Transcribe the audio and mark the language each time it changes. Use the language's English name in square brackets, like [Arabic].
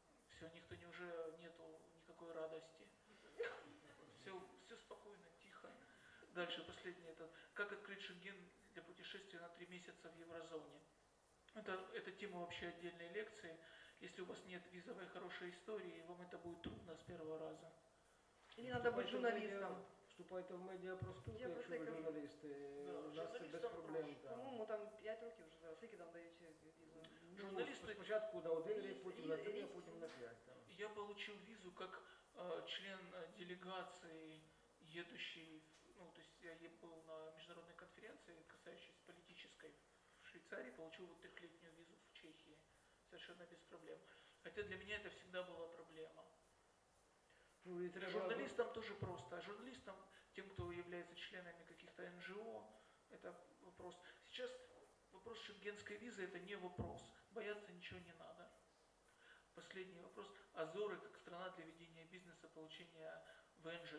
[Russian] Все, никто не уже нету никакой радости. Все спокойно, тихо. Дальше последнее. Как открыть Шенген для путешествия на 3 месяца в еврозоне? Это тема вообще отдельной лекции. Если у вас нет визовой хорошей истории, вам это будет трудно с первого раза. Или надо быть журналистом. [Ukrainian] Вступайте в медіапроспілку, якщо ви журналісти, журналісти без проблем. По-моєму, там 5 років вже зараз, скільки там дають візу? Журналісти... Спочатку на 1 рік, потім на 3, а потім на 5. Я отримав візу як член делегації, їдучий, ну, тобто я був на міжнародній конференції, касаючись політичної в Швейцарії, отримав 3-літню візу в Чехії, совершенно без проблем. Хоча для мене це завжди була проблема. [Russian] Журналистам тоже просто, а журналистам, тем, кто является членами каких-то НГО, это вопрос. Сейчас вопрос шенгенской визы – это не вопрос, бояться ничего не надо. Последний вопрос. Азоры как страна для ведения бизнеса, получения ВНЖ.